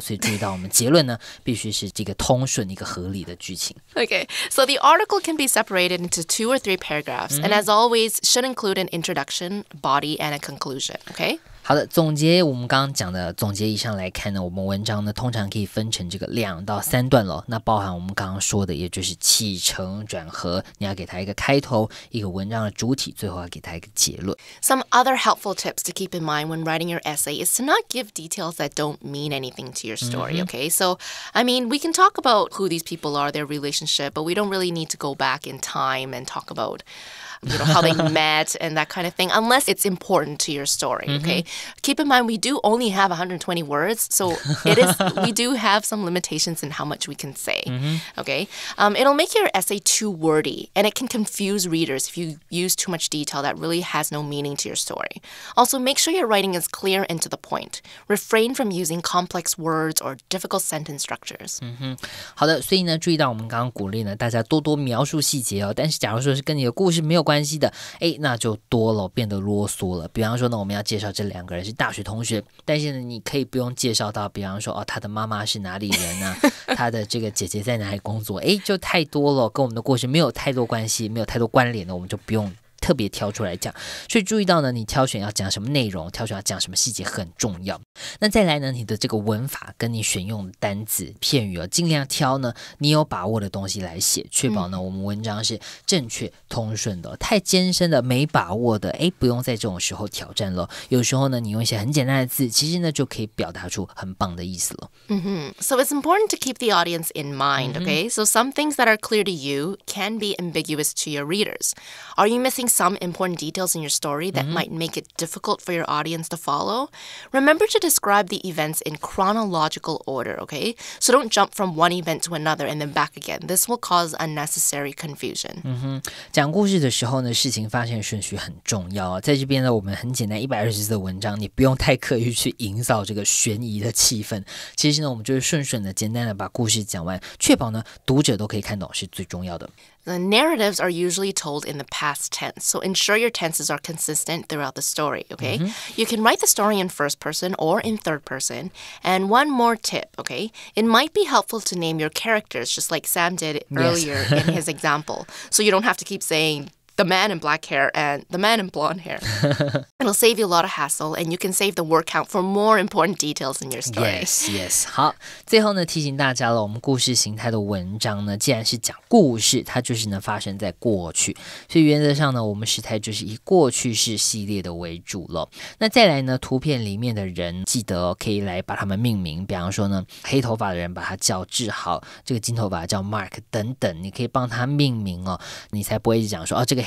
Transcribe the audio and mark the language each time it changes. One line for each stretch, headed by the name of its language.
Chinese: 所以注意到我们结论呢，必须是这个通顺一个合理的剧情。
English: Okay, so the article can be separated into two or three paragraphs,、mm-hmm. and as always, shouldn't. Include an introduction, body, and a conclusion. Okay.
Chinese: 好的，总结我们刚刚讲的总结以上来看呢，我们文章呢通常可以分成这个两到三段了。那包含我们刚刚说的，也就是起承转合，你要给它一个开头，一个文章的主体，最后要给它一个结论。
English: Some other helpful tips to keep in mind when writing your essay is to not give details that don't mean anything to your story.、Mm-hmm. Okay, so I mean we can talk about who these people are, their relationship, but we don't really need to go back in time and talk about.You know, how they met and that kind of thing, unless it's important to your story, okay? Mm-hmm. keep in mind, we do only have 120 words, so it is, we do have some limitations in how much we can say. Mm-hmm. Okay? It'll make your essay too wordy, and it can confuse readers if you use too much detail that really has no meaning to your story. Also, make sure your writing is clear and to the point. Refrain from using complex words or difficult sentence structures. Mm-hmm.
Chinese: 好的，所以呢，注意到我们刚刚鼓励呢，大家多多描述细节哦。但是假如说是跟你的故事没有关系的，哎，那就多了，变得啰嗦了。比方说呢，我们要介绍这两个人是大学同学，但是呢，你可以不用介绍到，比方说哦，他的妈妈是哪里人啊，他的这个姐姐在哪里工作，哎，就太多了，跟我们的故事没有太多关系，没有太多关联的，我们就不用特别挑出来讲。所以注意到呢，你挑选要讲什么内容，挑选要讲什么细节很重要。那再来呢，你的这个文法跟你选用的单字片语，尽量挑呢你有把握的东西来写，确保呢我们文章是正确通顺的。太艰深的没把握的，哎，不用在这种时候挑战了。有时候呢你用一些很简单的字，其实呢就可以表达出很棒的意思了。 Mm-hmm.
English: So it's important to keep the audience in mind, okay? So some things that are clear to you can be ambiguous to your readers. Are you missing some important details in your story that might make it difficult for your audience to follow? Remember to describe the events in chronological order, okay? So don't jump from one event to another and then back again. This will cause unnecessary confusion.
Chinese: 嗯哼，讲故事的时候呢，事情发现顺序很重要啊。在这边呢，我们很简单，120字的文章，你不用太刻意去营造这个悬疑的气氛。其实呢，我们就是顺顺的、简单的把故事讲完，确保呢读者都可以看懂是最重要的。
English: The narratives are usually told in the past tense, so ensure your tenses are consistent throughout the story, okay? Mm-hmm. You can write the story in first person or in third person. And one more tip, okay? It might be helpful to name your characters, just like Sam did earlier in his example, so you don't have to keep saying... The man in black hair and the man in blonde hair. It'll save you a lot of hassle, and you can save the word count for more important details in your story. Yes, yes.
Chinese: 好，最后呢，提醒大家了，我们故事形态的文章呢，既然是讲故事，它就是呢发生在过去，所以原则上呢，我们时态就是以过去式系列的为主了。那再来呢，图片里面的人，记得可以来把他们命名，比方说呢，黑头发的人把他叫志豪，这个金头发叫 Mark 等等，你可以帮他命名哦，你才不会一直讲说哦这个。